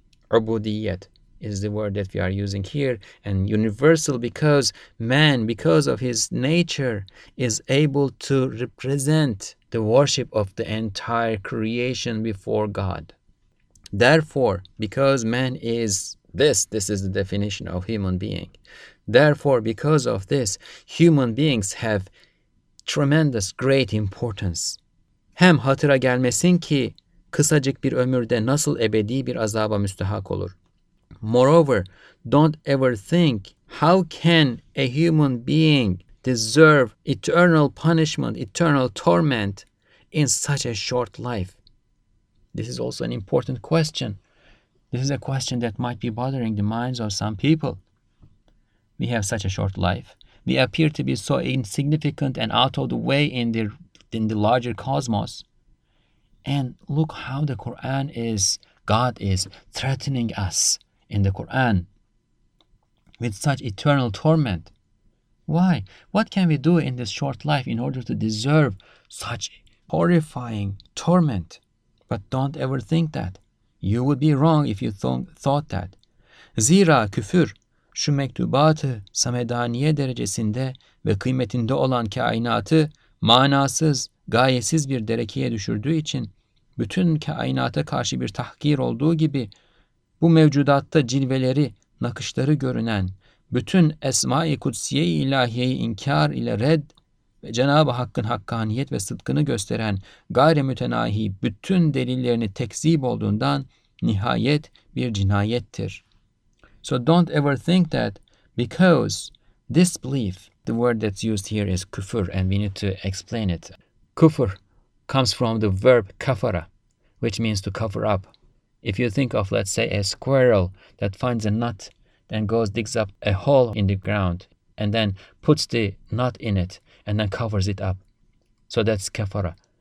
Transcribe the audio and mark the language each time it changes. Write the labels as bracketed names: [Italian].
[English] Ubudiyyat is the word that we are using here, and universal because man, because of his nature, is able to represent the worship of the entire creation before God. Therefore, because man is this is the definition of human being. Therefore, because of this, human beings have tremendous, great importance. [Turkish] Hem hatıra gelmesin ki, kısacık bir ömürde nasıl ebedi bir azaba müstehak olur. [English] Moreover, don't ever think, how can a human being deserve eternal punishment, eternal torment in such a short life? This is also an important question. This is a question that might be bothering the minds of some people. We have such a short life. We appear to be so insignificant and out of the way in the larger cosmos. And look how the Quran is, God is threatening us in the Quran with such eternal torment. Why? What can we do in this short life in order to deserve such horrifying torment? But don't ever think that. You would be wrong if you thought that. [Turkish] Zira küfür, şu mektubatı samedaniye derecesinde ve kıymetinde olan kainatı manasız, gayesiz bir derekeye düşürdüğü için bütün kainata karşı bir tahkir olduğu gibi bu mevcudatta cilveleri, nakışları görünen bütün esma-i kudsiye-i ilahiyeyi inkar ile red ve Cenab-ı Hakk'ın hakkaniyet ve sıdkını gösteren gayri mütenahi bütün delillerini tekzip olduğundan nihayet bir cinayettir. [English] So don't ever think that because disbelief, the word that's used here is küfür, and we need to explain it. Küfür comes from the verb kafara, which means to cover up. If you think of, let's say, a squirrel that finds a nut, then goes, digs up a hole in the ground, and then puts the nut in it, and then covers it up. So that's kafara.